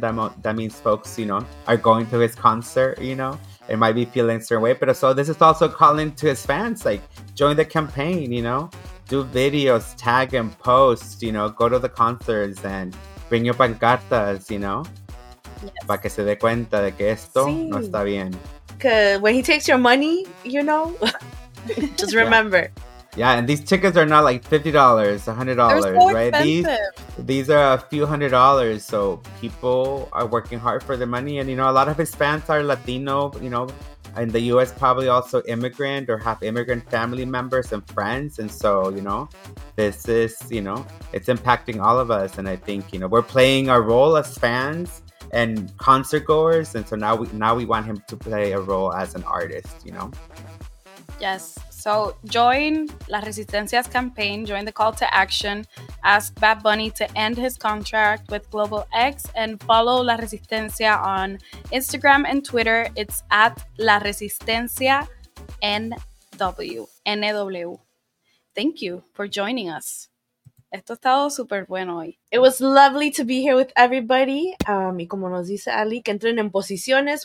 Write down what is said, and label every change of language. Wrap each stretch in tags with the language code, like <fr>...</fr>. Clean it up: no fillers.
<en>That means folks, you know, are going to his concert, you know? It might be feeling a certain way.</en> <es>Pero</es> <en>so this is also calling to his fans, like, join the campaign, you know? Do videos, tag and post, you know? Go to the concerts and bring your pancartas, you know? Yes.</en> <es>Para que se dé cuenta de que esto no está bien.</es> <en>Because when he takes your money, you know, just remember. Yeah, and these tickets are not like $50, $100, so right? These are a few hundred dollars. So people are working hard for their money. And, you know, a lot of his fans are Latino, you know, in the U.S. probably also immigrant or have immigrant family members and friends. And so, you know, this is, you know, it's impacting all of us. And I think, you know, we're playing our role as fans and concert goers. And so now we want him to play a role as an artist, you know? Yes. So join La Resistencia's campaign, join the call to action, ask Bad Bunny to end his contract with Global X, and follow La Resistencia on Instagram and Twitter. It's at La Resistencia NW. Thank you for joining us.</en> <es>Esto ha estado super bueno hoy.</es> <en>It was lovely to be here with everybody.</en> <es>Y como nos dice Ali, que entren en posiciones.</es>